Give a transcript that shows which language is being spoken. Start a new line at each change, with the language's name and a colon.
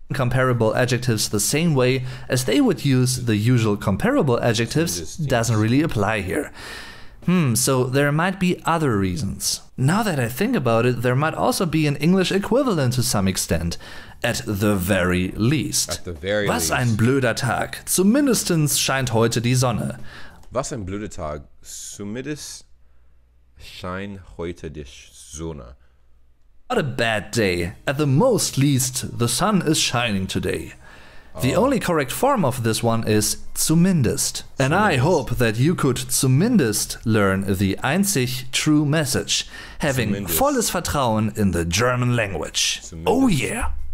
English: Comparable adjectives the same way as they would use the usual comparable adjectives doesn't really apply here. So there might be other reasons. Now that I think about it, there might also be an English equivalent to some extent, at the very least. At the very
German: Was
English: least.
German: Ein blöder Tag, zumindest scheint heute die Sonne. Was ein blöder Tag, zumindest scheint heute die Sonne.
English: What a bad day. At the most least, the sun is shining today. The only correct form of this one is zumindest. And I hope that you could zumindest learn the
German: einzig
English: true message, having
German: volles Vertrauen
English: in the German language. Zumindest. Oh yeah!